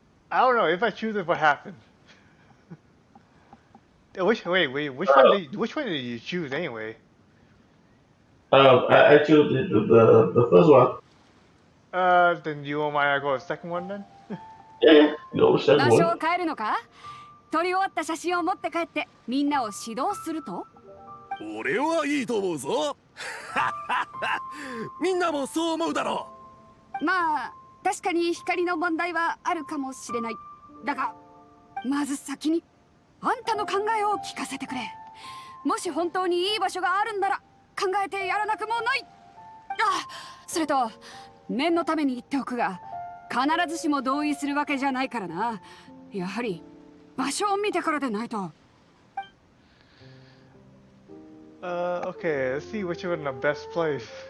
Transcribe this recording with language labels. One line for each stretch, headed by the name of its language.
English: I don't know if I choose it, what happened? Which one did you choose anyway? I choose the first one. Then you want me to go to the second one then? Yeah, go to the second one.
Japanese: 場所を変えるのか？撮り終わった写真を持って帰ってみんなを指導すると？俺はいいと思うぞ。みんなもそう思うだろう。まあ。確かに光の問題はあるかもしれない。だが、まず先にあんたの考えを聞かせてくれ。もし本当にいい場所があるんなら考えてやらなくもない。あ、それと念のために言っておくが、必ずしも同意するわけじゃないからな。やはり場所を見てからでないと。
English: Okay, let's see which one is the best place.